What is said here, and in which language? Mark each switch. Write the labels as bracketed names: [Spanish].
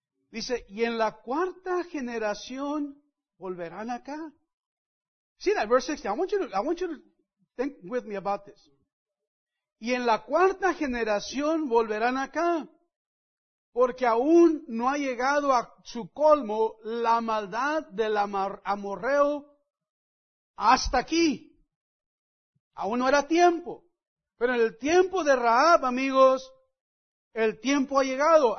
[Spanish] Dice, y en la cuarta generación volverán acá. [English] See that, verse 16. I want you to think with me about this. [Spanish] Y en la cuarta generación volverán acá, porque aún no ha llegado a su colmo la maldad del amorreo hasta aquí. Aún no era tiempo. Pero en el tiempo de Rahab, amigos, el tiempo ha llegado.